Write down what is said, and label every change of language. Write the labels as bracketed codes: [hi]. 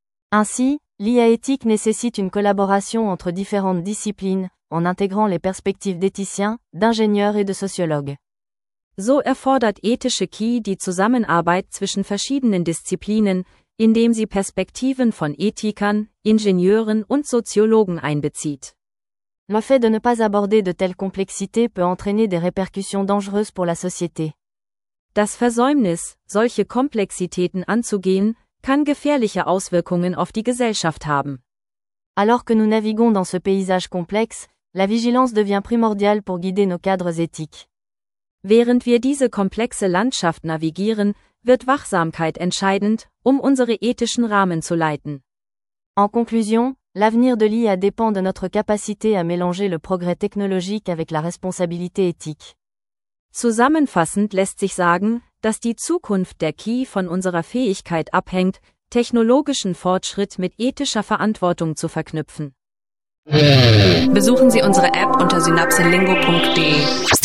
[fr] Ainsi, l'IA éthique nécessite une collaboration entre différentes disciplines, en intégrant les perspectives d'éthiciens, d'ingénieurs et de sociologues. [de] So erfordert ethische KI die Zusammenarbeit zwischen verschiedenen Disziplinen, indem sie Perspektiven von Ethikern, Ingenieuren und Soziologen einbezieht. [fr] Le fait de ne pas aborder de telles complexités peut entraîner des répercussions dangereuses pour la société. [de] Das Versäumnis, solche Komplexitäten anzugehen, kann gefährliche Auswirkungen auf die Gesellschaft haben. [fr] Alors que nous naviguons dans ce paysage complexe, la vigilance devient primordiale pour guider nos cadres éthiques. [de] Während wir diese komplexe Landschaft navigieren, wird Wachsamkeit entscheidend, um unsere ethischen Rahmen zu leiten. [fr] En conclusion, l'avenir de l'IA dépend de notre capacité à mélanger le progrès technologique avec la responsabilité éthique. [de] Zusammenfassend lässt sich sagen, dass die Zukunft der KI von unserer Fähigkeit abhängt, technologischen Fortschritt mit ethischer Verantwortung zu verknüpfen. Besuchen Sie unsere App unter synapsenlingo.de.